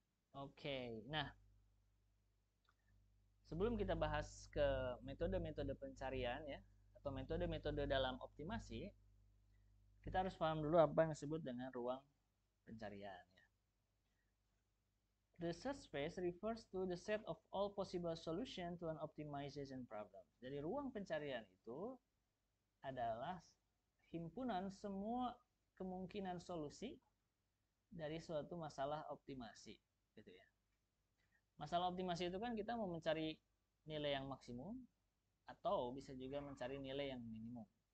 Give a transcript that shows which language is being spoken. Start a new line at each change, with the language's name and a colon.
Indonesian: Okay. Nah, sebelum kita bahas ke metode-metode pencarian ya, atau metode-metode dalam optimasi, kita harus paham dulu apa yang disebut dengan ruang pencarian ya.
English: The search space refers to the set of all possible solution to an optimization problem.
Indonesian: Jadi ruang pencarian itu adalah himpunan semua kemungkinan solusi dari suatu masalah optimasi, gitu ya. Masalah optimasi itu kan kita mau mencari nilai yang maksimum atau bisa juga mencari nilai yang minimum.